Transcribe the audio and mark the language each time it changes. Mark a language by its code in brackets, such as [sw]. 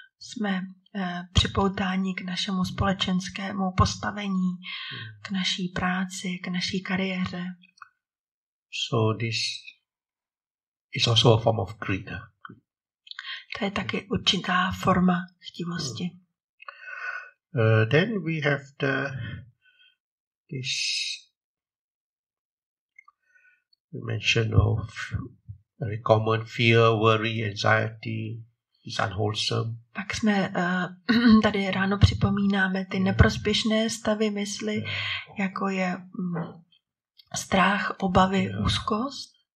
[cs] Jsme připoutáni k našemu společenskému postavení, k naší práci, k naší kariéře. [en] So this is also a form of greed. [cs] To je taky určitá forma chtivosti. [en] Then we have this mention of very common fear, worry, anxiety is unwholesome. [cs] Pak jsme tady ráno připomínáme ty neprospěšné stavy mysli, jako je strach, obavy, úzkost.